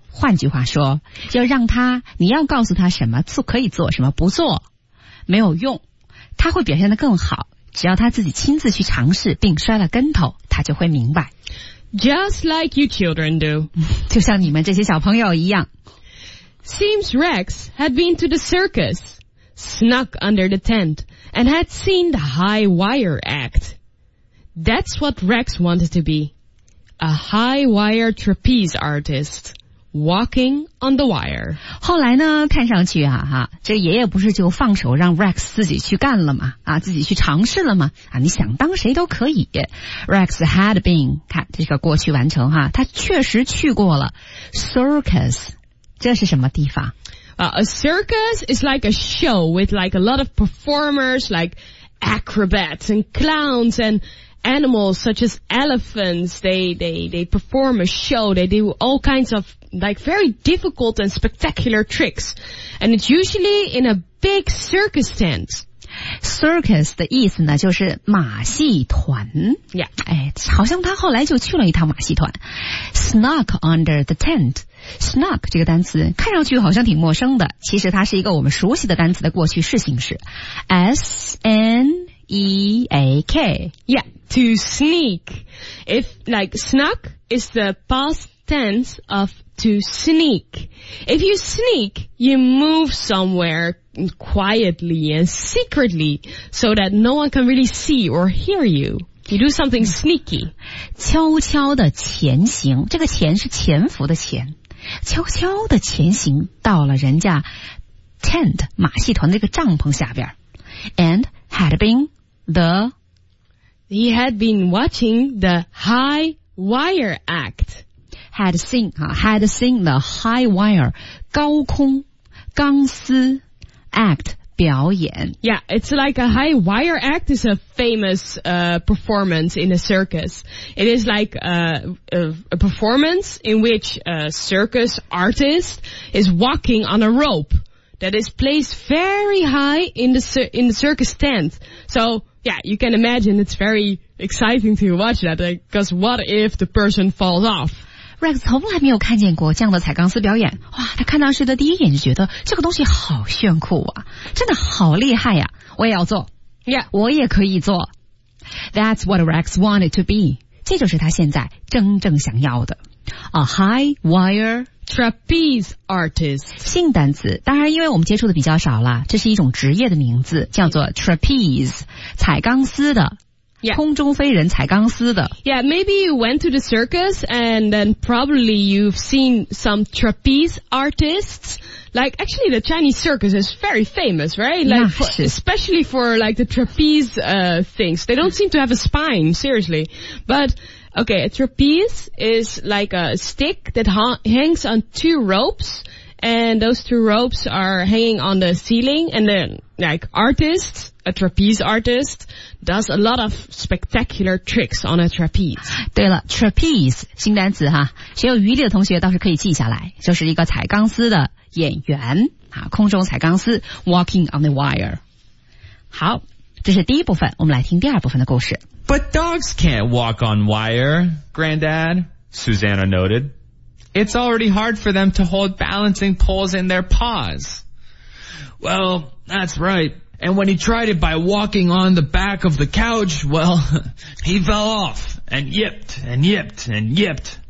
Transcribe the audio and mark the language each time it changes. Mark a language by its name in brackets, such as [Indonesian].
[Chinese] 换句话说，要让他，你要告诉他什么做可以做，什么不做，没有用，他会表现得更好。只要他自己亲自去尝试并摔了跟头，他就会明白。 [English] Just like you children do. [Chinese] 就像你们这些小朋友一样。 [English] Seems Rex had been to the circus, snuck under the tent, and had seen the high wire act. That's what Rex wanted to be. A high wire trapeze artist, walking on the wire. [Chinese] 后来呢，看上去啊，这爷爷不是就放手让 Rex 自己去干了吗？啊，自己去尝试了吗？啊，你想当谁都可以。 [English] Rex had been, [Chinese] 看这个过去完成哈，他确实去过了 circus,这是什么地方？ [English] A circus is like a show with like a lot of performers like acrobats and clowns and animals such as elephants. They perform a show. They do all kinds of like very difficult and spectacular tricks. And it's usually in a big circus tent. [Chinese] Circus 的意思呢就是马戏团。 [English] Yeah. [Chinese] 哎，好像他后来就去了一趟马戏团。 [English] Snuck under the tent. [Chinese] Snuck 这个单词看上去好像挺陌生的，其实它是一个我们熟悉的单词的过去式形式 S-N-E-A-K. [English] Yeah, to sneak. If like snuck is the past tense of to sneak. If you sneak, you move somewhere quietly and secretly so that no one can really see or hear you. You do something sneaky. [Chinese] 悄悄的前行，这个潜是潜伏的潜，悄悄的前行到了人家 tent 马戏团的一个帐篷下边。 [English] And had been the... He had been watching the high wire act. Had seen, had seen the high wire, [Chinese] 高空钢丝 [English] act. [Chinese] 表演 [English] Yeah, it's like a high wire act is a famous performance in a circus. It is like a performance in which a circus artist is walking on a rope that is placed very high in the circus tent. So yeah, you can imagine it's very exciting to watch that, because like, what if the person falls off? [Chinese] Rex 从来没有看见过这样的彩钢丝表演，哇，他看到时的第一眼就觉得这个东西好炫酷啊，真的好厉害啊，我也要做。 [English] Yeah, [Chinese] 我也可以做。 [English] That's what Rex wanted to be. [Chinese] 这就是他现在真正想要的。 [English] A high wire trapeze artist. [Chinese] 新单词，当然因为我们接触的比较少啦，这是一种职业的名字，叫做 trapeze, 彩钢丝的。 [English] Yeah. [Chinese] 空中飞人踩钢丝的。 [English] Yeah, maybe you went to the circus and then probably you've seen some trapeze artists. Like, actually the Chinese circus is very famous, right? Like, especially for like the trapeze, things. They don't seem to have a spine, seriously. But, okay, a trapeze is like a stick that hangs on two ropes and those two ropes are hanging on the ceiling and then like artists,A trapeze artist does a lot of spectacular tricks on a trapeze. [Chinese] 对了 ,trapeze, 新单词哈，学有余力的同学倒是可以记下来，就是一个踩钢丝的演员，空中踩钢丝 , [English] walking on the wire. [Chinese] 好，这是第一部分，我们来听第二部分的故事。 [English] But dogs can't walk on wire, Granddad, Susanna noted. It's already hard for them to hold balancing poles in their paws. Well, that's right. And when he tried it by walking on the back of the couch, well, he fell off and yipped and yipped and yipped.